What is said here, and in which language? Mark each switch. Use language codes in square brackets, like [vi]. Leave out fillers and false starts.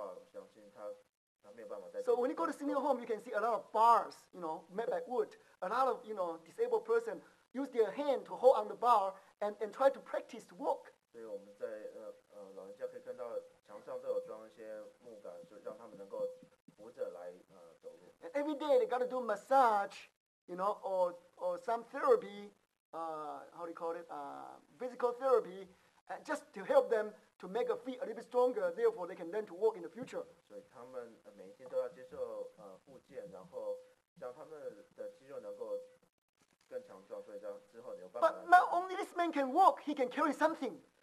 [zh] 如果有一个人他躺在床上超过一年，然后都没有去运动的话，我相信他没有办法再。 [en] So when you go to senior home, you can see a lot of bars, you know, made by wood. A lot of you know disabled person use their hand to hold on the bar. And try to practice to walk. [zh] 所以我们在老人家可以看到墙上都有装一些木杆，就让他们能够扶着来走路。 [en] And every day they gotta do massage, you know, or some therapy, how do you call it, physical therapy, just to help them to make a feet a little bit stronger. Therefore, they can learn to walk in the future. [zh] 所以他们每一天都要接受复健，然后让他们的肌肉能够。 [en] But not only this man can walk, he can carry something.